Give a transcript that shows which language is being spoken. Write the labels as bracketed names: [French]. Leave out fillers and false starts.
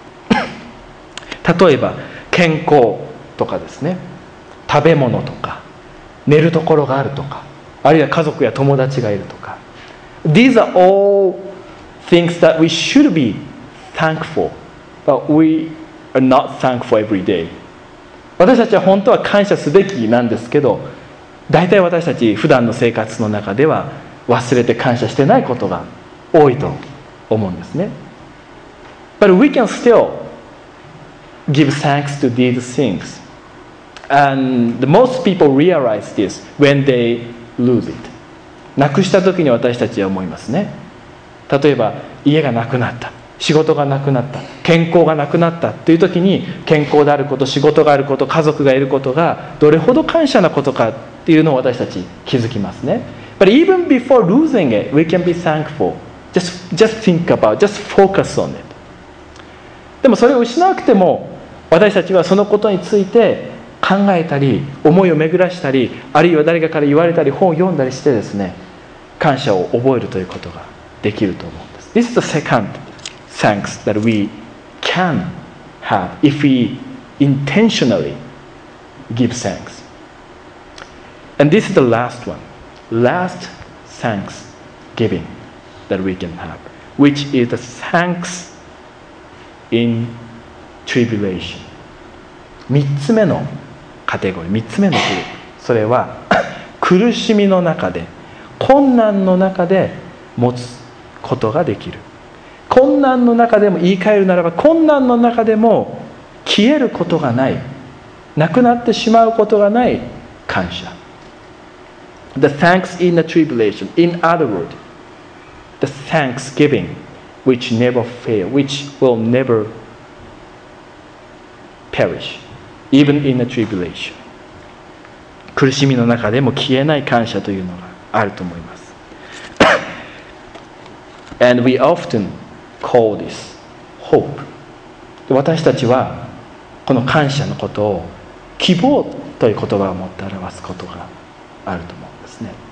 [Japanese] 例えば健康とかですね、食べ物とか寝るところがあるとか、あるいは家族や友達がいるとか、 [English] These are all things that we should be thankful, but we are not thankful every day. [Japanese] 私たちは本当は感謝すべきなんですけど、大体私たち普段の生活の中では忘れて感謝してないことが多いと思うんですね。 [English] But we can still give thanks to these things. And the most people realize this when they lose it. [Japanese] なくした時に私たちは思いますね。例えば家がなくなった、仕事がなくなった、健康がなくなったという時に、健康であること、仕事があること、家族がいることがどれほど感謝なことかっていうのを私たち気づきますね。 [English] But even before losing it, we can be thankful. Just think about, just focus on it. [Japanese] でもそれを失わなくても、私たちはそのことについて考えたり、思いを巡らしたり、あるいは誰かから言われたり、本を読んだりしてですね、感謝を覚えるということができると思うんです。 [English] This is the second thanks that we can have if we intentionally give thanks. And this is the last one. Last thanksgiving that we can have, which is the thanks in tribulation. [Japanese] 三つ目のカテゴリー、三つ目のグループ、それは苦しみの中で、困難の中で持つことができる。困難の中でも、言い換えるならば、困難の中でも消えることがない、なくなってしまうことがない感謝。 [English] The thanks in the tribulation. In other words, the thanksgiving which never fail, which will never perish, even in the tribulation. [Japanese] 苦しみの中でも消えない感謝というのがあると思います。 [English] And we often call this hope. [Japanese] 私たちはこの感謝のことを希望という言葉を持って表すことがあると思うんですね。